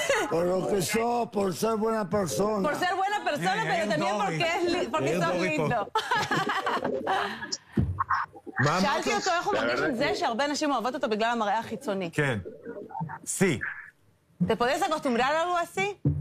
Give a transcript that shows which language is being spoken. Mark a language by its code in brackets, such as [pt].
[es] Por lo que sos, por ser buena persona. Por ser buena persona, yeah, pero también porque sos lindo. [he] שאלתי אותו איך הוא מרגיש עם זה שהרבה נשים אוהבות אותו בגלל המראה החיצוני. כן. סי. [es] ¿Te podés acostumbrar a algo así?